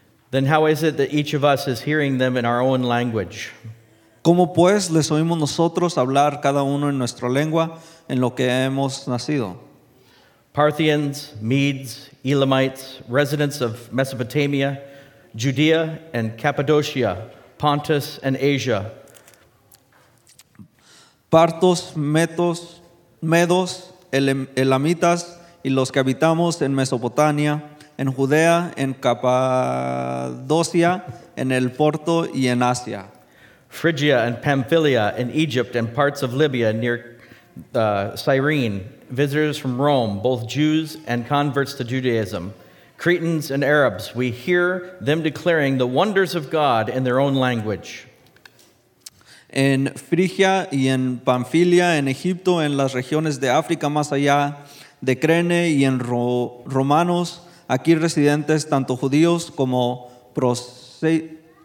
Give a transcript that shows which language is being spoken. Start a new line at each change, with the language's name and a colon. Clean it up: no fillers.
English: Then how is it that each of us is hearing them in our own language?
Spanish: ¿Cómo pues les oímos nosotros hablar cada uno en nuestra lengua en lo que hemos nacido?
English: Parthians, Medes, Elamites, residents of Mesopotamia, Judea and Cappadocia, Pontus and Asia.
Spanish: Partos, Medos, Elamitas y los que habitamos en Mesopotamia, en Judea, en Cappadocia, en el Porto y en Asia.
English: Phrygia and Pamphylia in Egypt and parts of Libya near Cyrene. Visitors from Rome, both Jews and converts to Judaism, Cretans and Arabs, we hear them declaring the wonders of God in their own language.
Spanish: En Frigia y en Pamphylia, en Egipto, en las regiones de África más allá, de Crene y en Romanos, aquí residentes, tanto judíos como prosetios.